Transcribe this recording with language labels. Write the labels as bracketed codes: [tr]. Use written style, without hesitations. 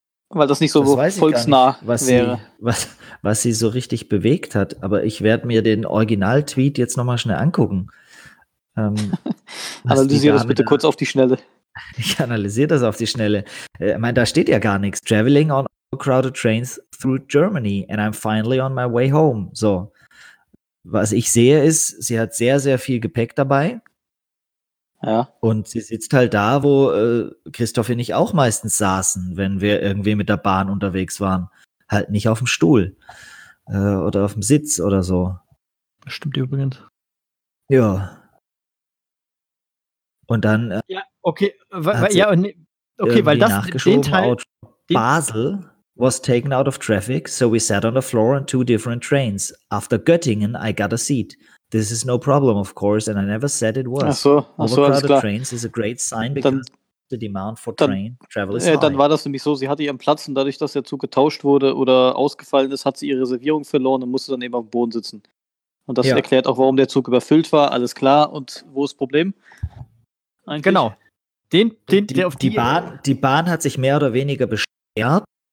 [de] Weil das nicht so volksnah wäre. Was sie so richtig bewegt hat. Aber ich werde mir den Original-Tweet jetzt nochmal schnell angucken. Analysiere das bitte kurz auf die Schnelle. Ich analysiere das auf die Schnelle. Ich meine, da steht ja gar nichts. [en] Traveling on crowded trains through Germany and I'm finally on my way home. [de] So, was ich sehe ist, sie hat sehr, sehr viel Gepäck dabei. Ja. Und sie sitzt halt da, wo Christoph und ich auch meistens saßen, wenn wir irgendwie mit der Bahn unterwegs waren. Halt nicht auf dem Stuhl oder auf dem Sitz oder so. Das stimmt übrigens. Ja. Und dann. Ja, okay. Den Teil. [en] Basel was taken out of traffic, so we sat on the floor on two different trains. After Göttingen, I got a seat. This is no problem, of course, and I never said it was. [de] Ach so, alles klar. [en] Trains is a great sign because [de] dann, [en] the demand for train travel is high. [de] Dann war das nämlich so, sie hatte ihren Platz und dadurch, dass der Zug getauscht wurde oder ausgefallen ist, hat sie ihre Reservierung verloren und musste dann eben auf dem Boden sitzen. Und das erklärt auch, warum der Zug überfüllt war. Alles klar. Und wo ist das Problem? Eigentlich? Genau. Die Bahn hat sich mehr oder weniger beschwert.